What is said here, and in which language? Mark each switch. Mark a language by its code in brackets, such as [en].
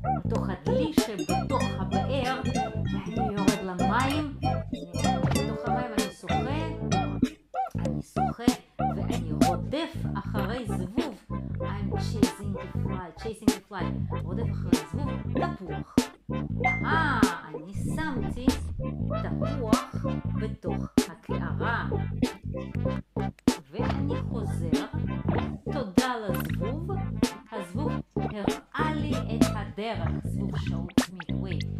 [he] תוך הדלי שבתוך הבאר, אני יורד למים, בתוך המים אני שוחה, ואני רודף אחרי זבוב. [en] I'm chasing the fly, chasing the fly. [he] רודף אחרי זבוב, תפוח. אני שמתי תפוח בתוך הקערה. ואני חוזר, תודה לזבוב. הזבוב הראה לי את הדרך, זבוב שאות מידווי.